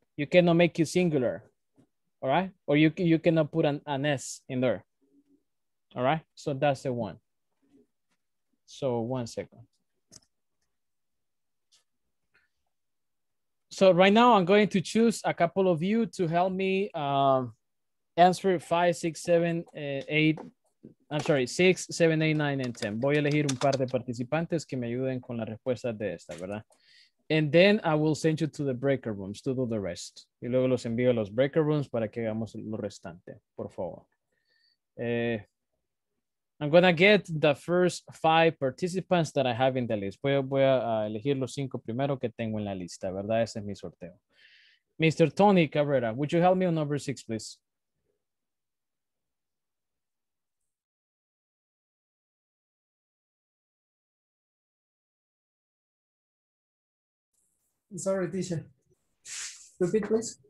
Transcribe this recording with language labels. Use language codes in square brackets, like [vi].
[en] You cannot make it singular, all right? Or you cannot put an S in there, all right? So that's the one. So one second. So right now I'm going to choose a couple of you to help me answer 6, 7, 8, 9, and 10. [es] Voy a elegir un par de participantes que me ayuden con la respuesta de esta, ¿verdad? [en] And then I will send you to the breaker rooms to do the rest. [es] Y luego los envío a los breaker rooms para que hagamos lo restante, por favor. [en] I'm going to get the first 5 participants that I have in the list. [es] Voy a elegir los 5 primero que tengo en la lista, ¿verdad? Ese es mi sorteo. Mr. [en] Tony Cabrera, would you help me on number 6, please? Sorry, teacher. Repeat, please.